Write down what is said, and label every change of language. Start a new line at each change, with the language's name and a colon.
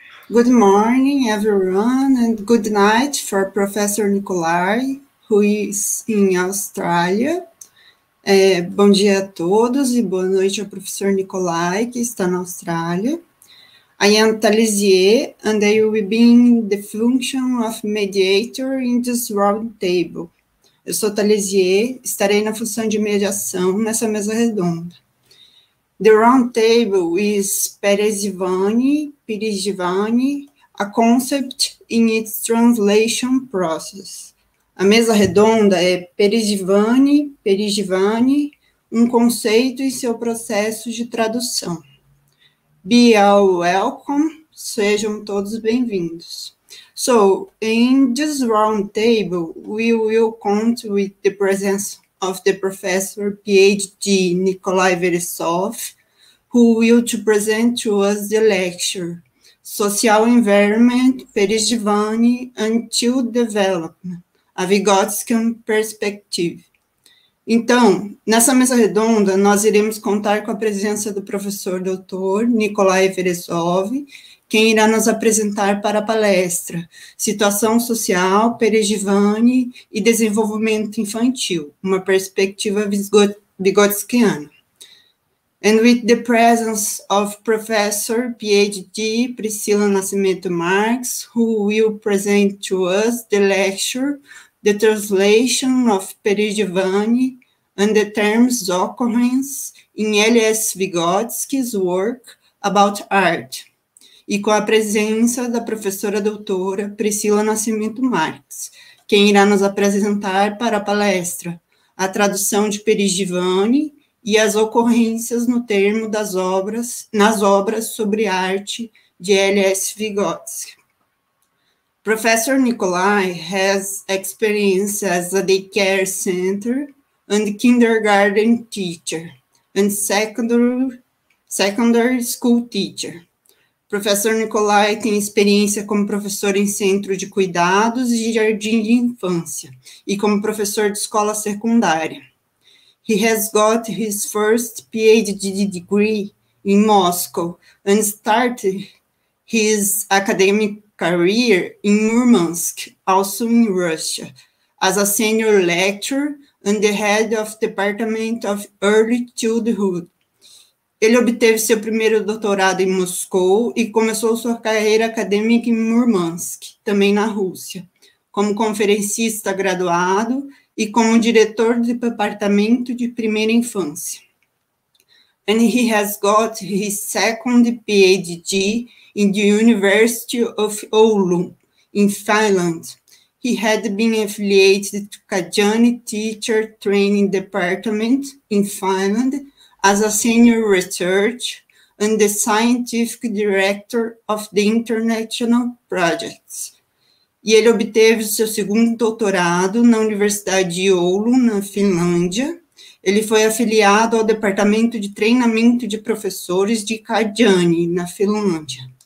English: Good morning, everyone, and good night for Professor Nicolai, who is in Australia.
Portuguese: Bom dia a todos e boa noite ao Professor Nicolai, que está na Austrália.
English: I am Talisier, and I will be being the function of mediator in this round table.
Portuguese: Eu sou Talisier, estarei na função de mediação nessa mesa redonda.
English: The round table is Perezivani, a concept in its translation process.
Portuguese: A mesa redonda é Perezivani, um conceito e seu processo de tradução.
English: Be all welcome,
Portuguese: sejam todos bem-vindos.
English: So, in this round table, we will count with the presence of the professor PhD Nicolai Versov, who will to present to us the lecture Social Environment, Perezivani until Development, a Vygotskian Perspective.
Portuguese: Então, nessa mesa redonda, nós iremos contar com a presença do professor doutor Nicolai Versov, quem irá nos apresentar para a palestra Situação Social, Perezivani e Desenvolvimento Infantil, uma perspectiva vygotskiana.
English: And with the presence of Professor PhD Priscila Nascimento Marques, who will present to us the lecture The Translation of Perezivani and the terms occurrence in L.S. Vygotsky's work about art,
Portuguese: e com a presença da professora doutora Priscila Nascimento Marques, quem irá nos apresentar para a palestra a tradução de Perezivani e as ocorrências no termo das obras, nas obras sobre arte de L.S. Vygotsky.
English: Professor Nicolai has experience as a daycare center and kindergarten teacher, and secondary school teacher.
Portuguese: Professor Nicolai tem experiência como professor em centro de cuidados e jardim de infância, e como professor de escola secundária.
English: He has got his first PhD degree in Moscow and started his academic career in Murmansk, also in Russia, as a senior lecturer and the head of Department of Early Childhood.
Portuguese: Ele obteve seu primeiro doutorado em Moscou e começou sua carreira acadêmica em Murmansk, também na Rússia, como conferencista graduado e como diretor do Departamento de Primeira Infância.
English: And he has got his second PhD in the University of Oulu, in Finland. He had been affiliated to Kajaani Teacher Training Department in Finland as a senior researcher and the scientific director of the International Projects.
Portuguese: E ele obteve seu segundo doutorado na Universidade de Oulu, na Finlândia. Ele foi afiliado ao Departamento de Treinamento de Professores de Kajaani, na Finlândia.